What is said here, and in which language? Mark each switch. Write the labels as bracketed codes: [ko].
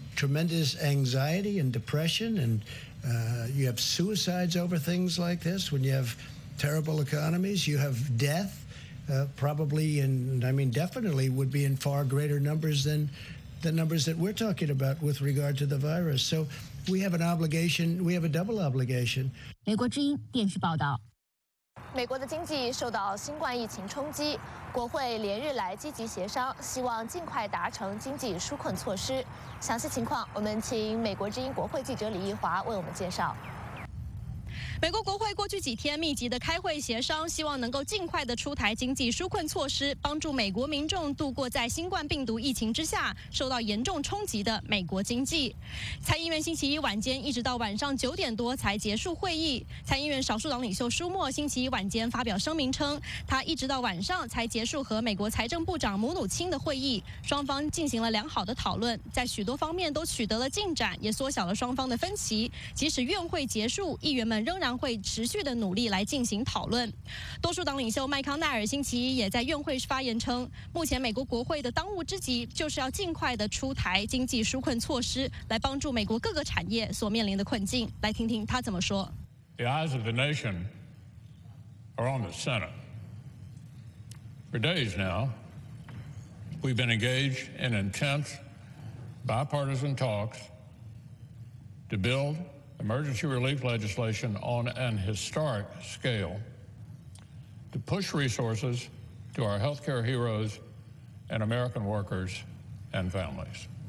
[en] tremendous anxiety and depression and you have suicides over things like this when you have terrible economies you have death probably and I mean definitely would be in far greater numbers than the numbers that we're talking about with regard to the virus so we have an obligation we have a double obligation [zh] 美国之音电视报道美国的经济受到新冠疫情冲击国会连日来积极协商希望尽快达成经济纾困措施详细情况我们请美国之音国会记者李一华为我们介绍美国国会过去几天密集的开会协商希望能够尽快的出台经济纾困措施帮助美国民众度过在新冠病毒疫情之下受到严重冲击的美国经济参议院星期一晚间一直到晚上九点多才结束会议参议院少数党领袖舒默星期一晚间发表声明称他一直到晚上才结束和美国财政部长姆努钦的会议双方进行了良好的讨论在许多方面都取得了进展也缩小了双方的分歧即使院会结束议员们仍然会持续的努力来进行讨论多数党领袖麦康奈尔星期一也在院会发言称目前美国国会的当务之急就是要尽快的出台经济纾困措施来帮助美国各个产业所面临的困境来听听他怎么说 [en] The eyes of the nation are on the Senate For days now we've been engaged in intense bipartisan talks to buildEmergency relief legislation on an historic scale to push resources to our healthcare heroes and American workers and families.